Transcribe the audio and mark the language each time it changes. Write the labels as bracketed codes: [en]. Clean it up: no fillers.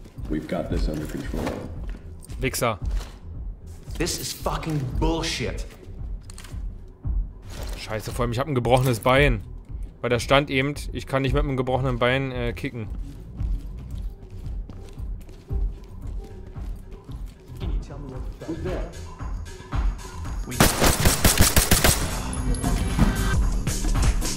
[en] We've got this under control. [de] Wichser. [en] This is fucking bullshit. [de] Scheiße, vor allem, ich hab ein gebrochenes Bein. Weil da stand eben, ich kann nicht mit einem gebrochenen Bein kicken. [en] Can you tell me what that is?